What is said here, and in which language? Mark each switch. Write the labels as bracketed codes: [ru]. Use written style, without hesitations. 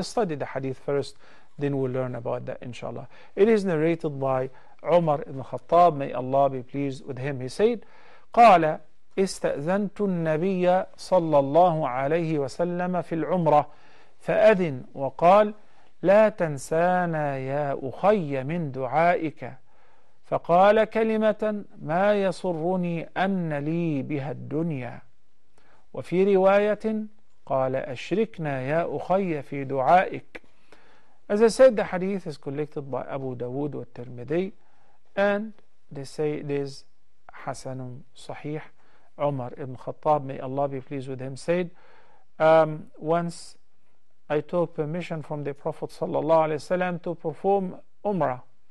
[en] Let's study the hadith first, then we'll learn about that, inshallah. It is narrated by Umar ibn Khattab, may Allah be pleased with him. He said, [ar] قال استأذنت النبي صلى الله عليه وسلم في العمرة فأذن وقال لا تنسانا يا أخي من دعائك فقال كلمة ما يسرني أن لي بها الدنيا. وفي رواية قال أشركنا يا أخي في دعائك. [en] As I said, the hadith is collected by Abu Dawood and Tirmidhi, and they say it is Hasanun Sahih. Umar ibn Khattab, may Allah be pleased with him, said, once I took permission from the Prophet sallallahu alaihi wasallam to perform Umrah.